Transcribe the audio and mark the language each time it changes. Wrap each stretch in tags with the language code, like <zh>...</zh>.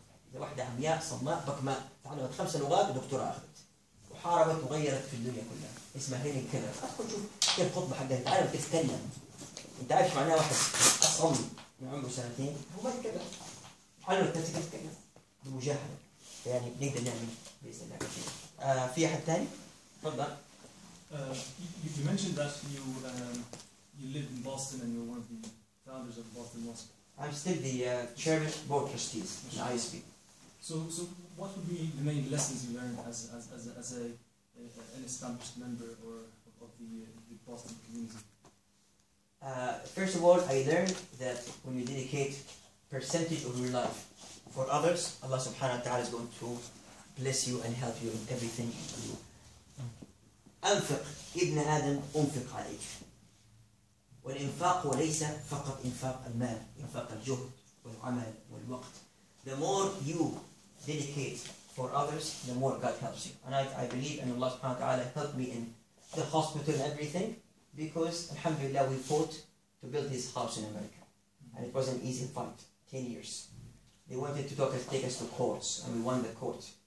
<ar>إذا واحدة عمياء صماء بكماء تعلمت 5 لغات ودكتوراه أخذت وحاربت وغيرت في الدنيا كلها اسمها هيلين كيلر أدخل شوف كيف خطبة حقها تعلم كيف تتكلم أنت عارف شو معناها واحد أصم من عمره 2 سنين هو ما يتكلم تعلمت نفسي كيف تتكلم بمجاهدة يعني نقدر نعمل بإذن الله كثير في أحد ثاني؟ تفضل</ar> <en>You mentioned that you live in Boston and you're one of the founders of Boston Mosque. I'm still the chairman of board trustees in ISB. So what would be the main lessons you learned as an established member or of the Boston community? First of all, I learned that when you dedicate percentage of your life for others, Allah subhanahu wa ta'ala is going to bless you and help you in everything you do.</en> <ar>أنفق ابن آدم أنفق عليك والإنفاق وليس فقط إنفاق المال إنفاق الجهد والعمل والوقت.</ar> <en>The more you dedicate for others, the more God helps you. And I believe in Allah subhanahu wa ta'ala helped me in the hospital and everything, because alhamdulillah we fought to build this house in America, and it was an easy fight. 10 years they wanted to take us to courts, and we won the court.</en>